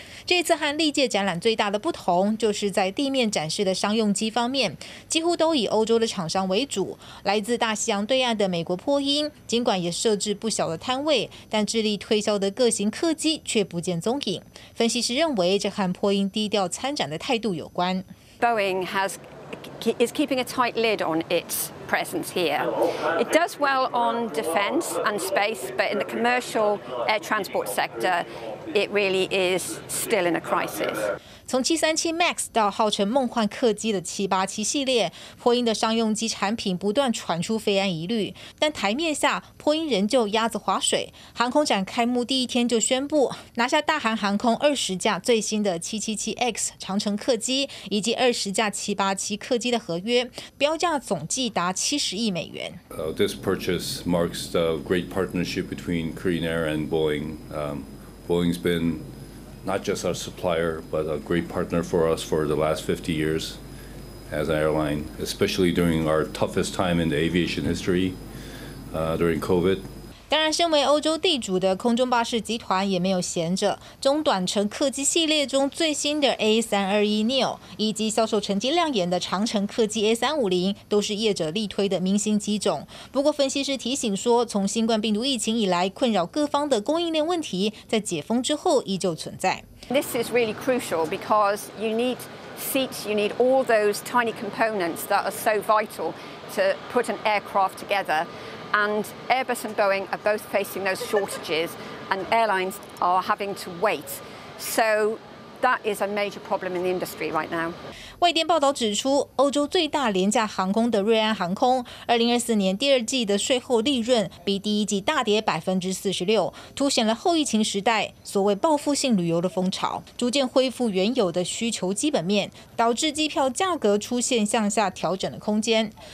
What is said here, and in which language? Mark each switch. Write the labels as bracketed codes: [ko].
[zh] 这次和历届展览最大的不同，就是在地面展示的商用机方面，几乎都以欧洲的厂商为主。来自大西洋对岸的美国波音，尽管也设置不小的摊位，但致力推销的各型客机却不见踪影。分析师认为，这和波音低调参展的态度有关。 [en] Boeing is keeping a tight lid on its presence here. It does well on defense and space, but in the commercial air transport sector. It really is still in a crisis. [zh] 从737 MAX 到号称梦幻客机的787系列，波音的商用机产品不断传出飞安疑虑，但台面下波音仍旧鸭子划水。航空展开幕第一天就宣布拿下大韩航空20架最新的 777X 长城客机以及20架787客机的合约，标价总计达70亿美元。 [en] This purchase marks the great partnership between Korean Air and Boeing. Boeing's been not just our supplier, but a great partner for us for the last 50 years as an airline, especially during our toughest time in the aviation history, during COVID. [zh] 当然，身为欧洲地主的空中巴士集团也没有闲着。中短程客机系列中最新的 A321neo 以及销售成绩亮眼的长程客机 A350 都是业者力推的明星机种。不过，分析师提醒说，从新冠病毒疫情以来，困扰各方的供应链问题，在解封之后依旧存在。 [en] This is really crucial because you need seats, you need all those tiny components that are so vital to put an aircraft together. And Airbus and Boeing are both facing those shortages, and airlines are having to wait. So that is a major problem in the industry right now. [zh] 外电报道指出，欧洲最大廉价航空的瑞安航空，2024年第二季的税后利润比第一季大跌46%，凸显了后疫情时代所谓报复性旅游的风潮逐渐恢复原有的需求基本面，导致机票价格出现向下调整的空间。